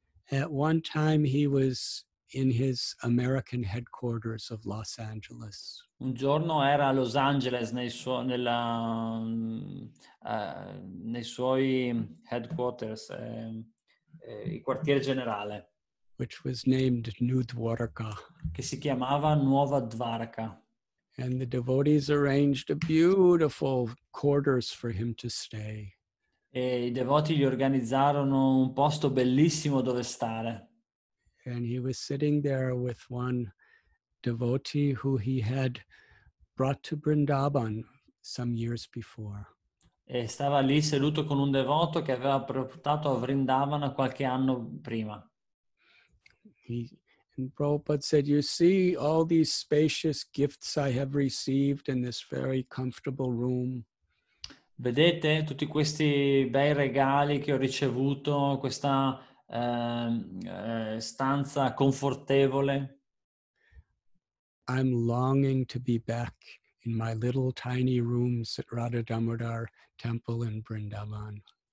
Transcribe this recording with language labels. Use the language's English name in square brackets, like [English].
[English] At one time he was in his American headquarters of Los Angeles. [Italian] Un giorno era a Los Angeles nei suoi headquarters, il quartiere generale. [English] Which was named New Dwarka. [Italian] Che si chiamava Nuova Dwarka. [English] And the devotees arranged a beautiful quarters for him to stay. [Italian] E i devoti gli organizzarono un posto bellissimo dove stare. [English] And he was sitting there with one devotee who he had brought to Vrindavan some years before. [Italian] E stava lì seduto con un devoto che aveva portato a Vrindavan qualche anno prima. [English] And Prabhupada said, "You see all these spacious gifts I have received in this very comfortable room." [Italian] Vedete tutti questi bei regali che ho ricevuto, questa stanza confortevole. [English] I'm longing to be back in my little tiny rooms at Radhadamodar Temple in Vrindavan.